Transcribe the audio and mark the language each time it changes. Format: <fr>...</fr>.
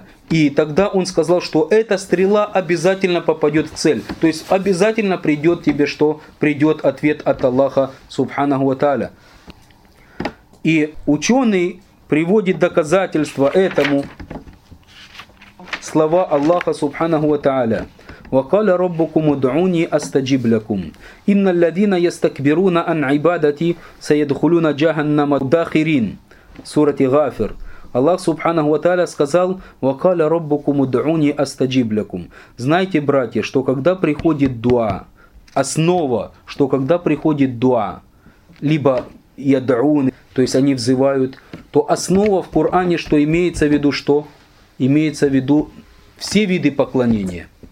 <ru>И тогда он сказал, что эта стрела обязательно попадет в цель. То есть обязательно придет тебе, что придет ответ от Аллаха Субханаху ва Тааля. И ученый приводит доказательство этому слова Аллаха Субханаху ва Тааля.</ru> <ar>وقال ربكم ادعوني استجب لكم ان الذين يستكبرون عن عبادتي سيدخلون جهنم داخرين سورة غافر.</ar> <ru>Аллах Субханаху ва Тааля сказал:</ru> <ar>وقال ربكم ادعوني استجب لكم.</ar> <ru>Знайте, братья, что когда приходит дуа, основа, что когда приходит дуа, либо يدعون, то есть они взывают, то основа в Коране, что имеется в виду, что имеется в виду все виды поклонения.</ru>